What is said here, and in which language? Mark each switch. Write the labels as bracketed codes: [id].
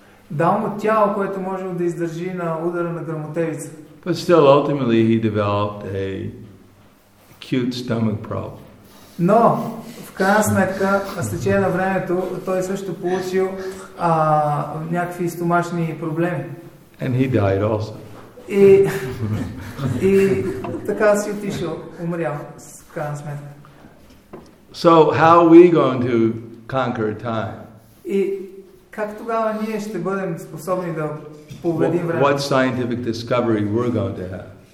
[bg] Дал му тяло, което може да издържи на удара на грамотевица. [en] But still, ultimately, he developed a acute stomach problem. [bg] Но в крайна сметка, с течение на времето, той също получил някакви стомашни проблеми. [en] And he died also. [bg] И така си отишъл, умрял с крайна сметка. [en] So how are we going to conquer time? [bg] И как тогава ние ще бъдем способни да победим времето? [en] What scientific discovery we're going to have?